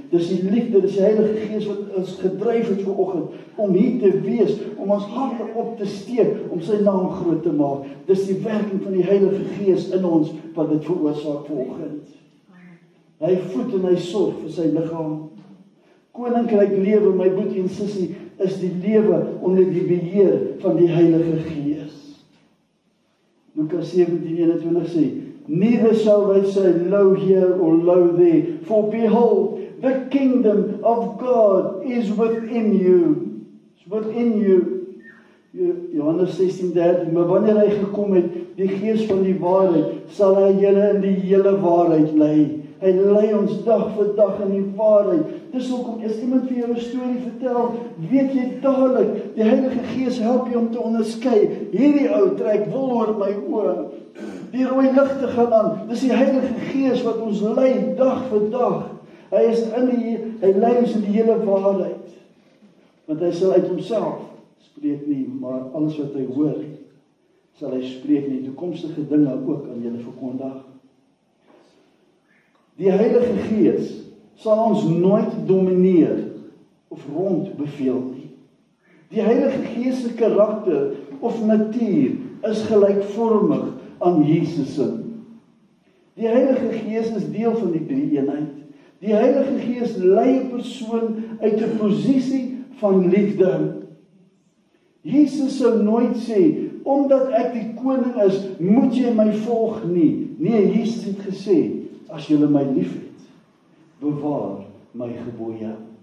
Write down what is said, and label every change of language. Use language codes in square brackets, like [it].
[af] Dis die liefde, dis die Heilige Gees wat ons gedryf het vanoggend om hier te wees, om ons harte op te steek, om sy naam groot te maak. Dis die werking van die Heilige Gees in ons wat dit veroorsaak vanoggend. Hy voed en hy sorg vir sy liggaam. Koninkryk lewe, my boetie en sussie, is die lewe onder die beheer van die Heilige Gees. Lukas 17:21 sê, [en] neither shall they say, lo here or lo there, for behold, the kingdom of God is within you. It's within you. [af] Johannes 16:13, maar wanneer hy gekom het, die gees van die waarheid, sal hy julle in die hele waarheid lei. Hy lei ons dag vir dag in die waarheid. Dis hoekom, as iemand vir jou 'n storie vertel, weet jy dadelik, die Heilige Gees help jou om te onderskei. Hierdie ou trek wol oor my oë. Die rooi ligte gaan aan. Dis die Heilige Gees wat ons lei dag vir dag. Hy is in die, hy lei ons in die hele waarheid. Want hy sal uit homself spreek nie, maar alles wat hy hoor, sal hy spreek nie. Toekomstige dinge ook aan julle verkondig. Die Heilige Gees sal ons nooit domineer of rond beveel nie. Die Heilige Gees se karakter of natuur is gelykvormig aan Jesus se. Die Heilige Gees is deel van die drie eenheid. Die Heilige Gees lei 'n persoon uit 'n posisie van liefde. Jesus sou nooit sê, omdat ek die koning is, moet jy my volg nie. Nee, Jesus het gesê, as jy my liefhet, bewaar my gebooie.